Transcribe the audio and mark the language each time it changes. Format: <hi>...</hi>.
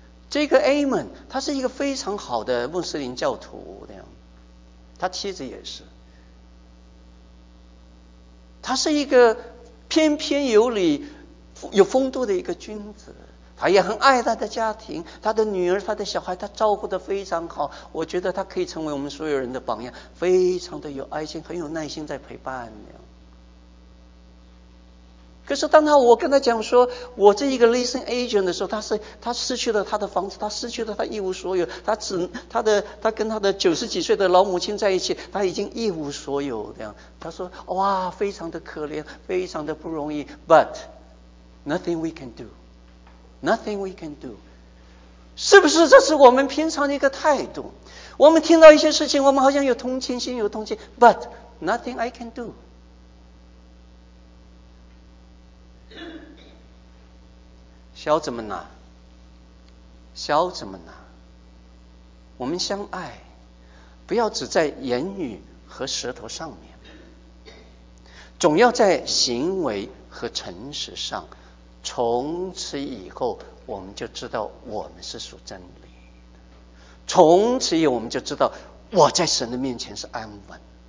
<zh>这个 Amon 他是一个非常好的穆斯林教徒，这样他妻子也是，他是一个翩翩有礼有风度的一个君子，他也很爱他的家庭，他的女儿他的小孩他照顾得非常好，我觉得他可以成为我们所有人的榜样，非常的有爱心很有耐心在陪伴你。可是当他我跟他讲说我这一个 leasing agent 的时候，他失去了他的房子，他失去了他一无所有，他跟他的九十几岁的老母亲在一起，他已经一无所有这样。他说哇非常的可怜非常的不容易，</zh> <en>but nothing we can do</en> <zh>nothing we can do。是不是这是我们平常的一个态度，我们听到一些事情我们好像有同情心有同情，</zh> <en>but nothing I can do。</en> <zh>小怎么拿小怎么拿，我们相爱不要只在言语和舌头上面，总要在行为和诚实上，从此以后我们就知道我们是属真理，从此以后我们就知道我在神的面前是安稳。</zh>